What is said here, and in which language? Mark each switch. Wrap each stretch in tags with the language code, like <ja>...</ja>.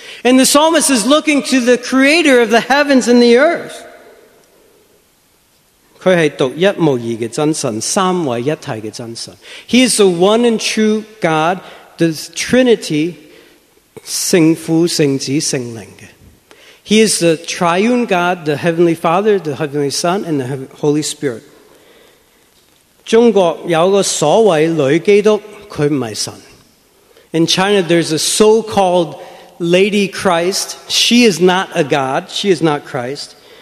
<en>And the psalmist is looking to the creator of the heavens and the earth.</en> <zh>他是独一无二的真神,三位一体的真神.</zh> <en>He is the one and true God, the Trinity,</en> <zh>圣父、圣子、圣灵的.</zh> <en>He is the triune God, the Heavenly Father, the Heavenly Son, and the Holy Spirit.</en> <zh>中国有个所谓女基督,她不是神.</zh> <en>In China, there's a so-called Lady Christ, she is not a God, she is not Christ.</en>